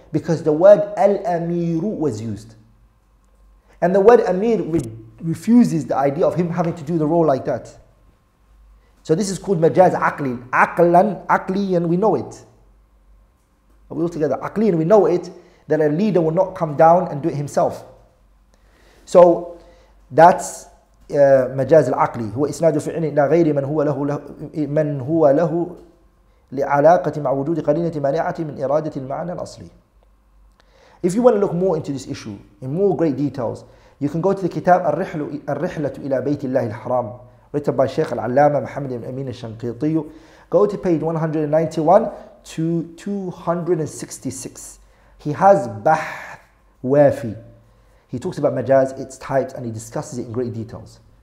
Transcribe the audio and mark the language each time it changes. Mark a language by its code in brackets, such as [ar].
[en] Because the word al-amiru was used. And the word amir refuses the idea of him having to do the role like that. So this is called majaz aqli. Aqlan, aqli, and we know it. Are we all together? Aqli, and we know it, that a leader will not come down and do it himself. So that's majaz al-aqli. [ar] هو إسناد فعل إلى غير من هو له من هو له لعلاقة مع وجود قرينة مانعة من إرادة المعنى الأصلي. [en] If you want to look more into this issue in more great details, you can go to the kitab الرحلة إلى بيت الله الحرام, written by Sheikh Al-Allama Muhammad ibn Amin al-Shanqiti. Go to page 191 to 266. He has Bahth Wafi. He talks about majaz, its types, and he discusses it in great details.